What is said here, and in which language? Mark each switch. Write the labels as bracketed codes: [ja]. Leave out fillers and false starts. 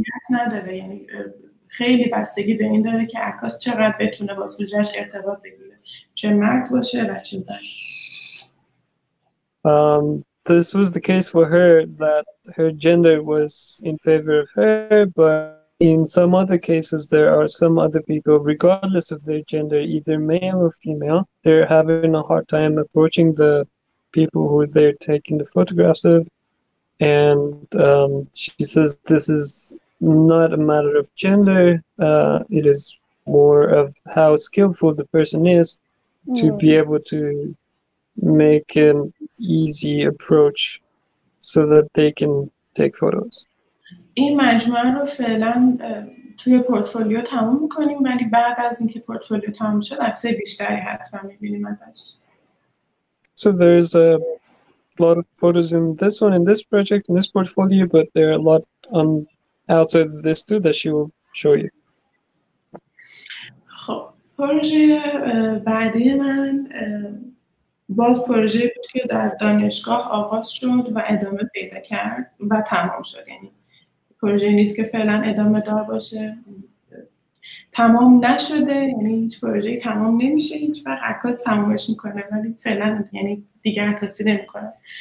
[fa] نداره، یعنی خیلی بستگی به این داره که عکاس چقدر بتونه با سوژه‌اش ارتباط بگیره، چه مرد باشه و چه زن. [en] This was the case for her, that her gender was in favor of her, but in some other cases there are some other people, regardless of their gender, either male or female, they're having a hard time approaching the people who they're taking the photographs of, and she says this is not a matter of gender, it is more of how skillful the person is to be able to make an easy approach so that they can take photos. [fa] این مجموعه رو فعلا توی پورتفولیو تموم می‌کنیم، ولی بعد از اینکه پورتفولیو تموم شد عکس بیشتری حتما می‌بینیم ازش. [en] So there's a lot of photos in this one, in this project, in this portfolio, but there are a lot on outside of this too that she will show you. [fa] خب پروژه بعدی من باز پروژه بود که در دانشگاه آغاز شد و ادامه پیدا کرد و تمام شد، یعنی پروژه نیست که فعلا ادامه دار باشه، تمام نشده، یعنی هیچ پروژه تمام نمیشه، هیچ وقت عکاس تمامش میکنه ولی فعلا یعنی دیگه عکاسی نمیکنه.